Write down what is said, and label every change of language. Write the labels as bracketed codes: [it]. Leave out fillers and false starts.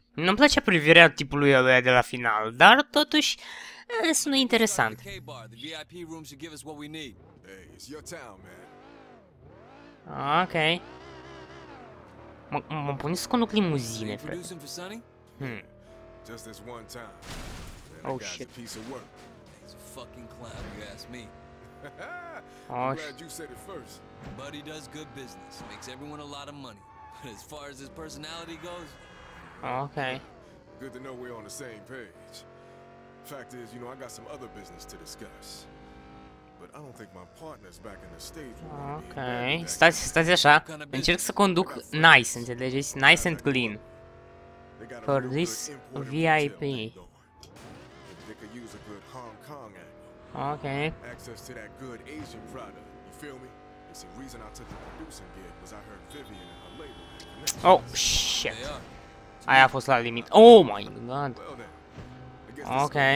[ro] Nu-mi place privirea tipului ăla de la final, dar totuși sună interesant. [en] The VIP room should give us what we need. Hey, it's your town, man. Ok. [ro] Mă pune să conduc limuzine, frate. [en] Just this one time. Oh shit. Piece of work. He's a fucking clown, you ask me. I'm glad you said it first. Buddy does good business, makes everyone a lot of money. But as far as his personality goes... Okay. Good to know we're on the same page. Fact is, you know, I got some other business to discuss. But I don't think my partner's back in the stage. [ro] Okay. Stați așa. Încerc să conduc nice, înțelegeți? [en] Nice and clean. For this VIP. They could use a good Hong Kong act. Okay. Access to that good Asian product. You feel me? It's the reason I took the producing gig was I heard Vivian and her label. Oh shit. I have was la limit. Oh my god. Okay.